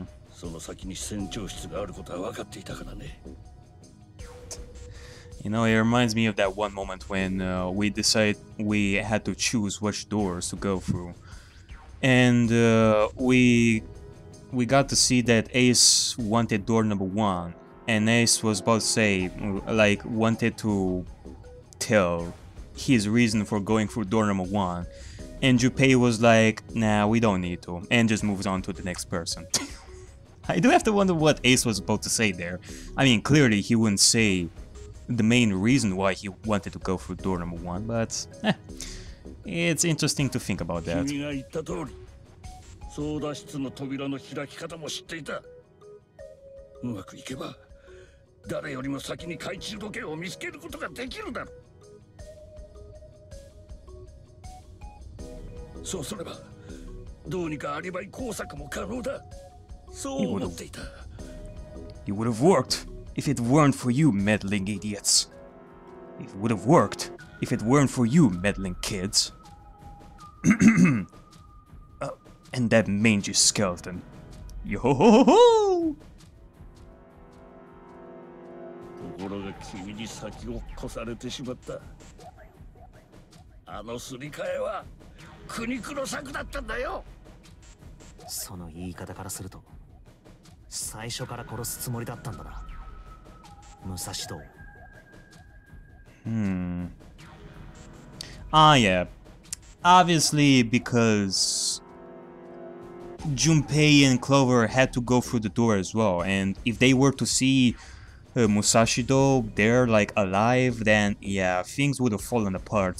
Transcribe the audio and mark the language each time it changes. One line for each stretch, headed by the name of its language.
Japanese: その先に船長室があることは分かっていたからね。
English: You know, it reminds me of that one moment when we decide we had to choose which doors to go through. And we got to see that Ace wanted door number one. And Ace was about to say, like, wanted to tell his reason for going through door number one. And Junpei was like, nah, we don't need to. And just moves on to the next person. I do have to wonder what Ace was about to say there. I mean, clearly he wouldn't say the main reason why he wanted to go through door number one, but it's interesting to think about that.
Japanese: 君が言った通り、操舵室の扉の開き方も知っていた。うまくいけば、誰よりも先に懐中時計を見つけることができるだろう。そうすれば、どうにかアリバイ工作も可能だ。そう思っていた。
English: It would have worked if it weren't for you meddling idiots. It would have worked. If it weren't for you meddling kids. and that mangy skeleton. Yo ho ho ho!
Japanese: ところが君に先を越されてしまった。あのすり替えは苦肉の策だったんだよ。その言い方からすると、最初から殺すつもりだったんだな、武蔵道。
English: Ah, yeah. Obviously, because Junpei and Clover had to go through the door as well. And if they were to see Musashido there, like, alive, then, yeah, things would have fallen apart.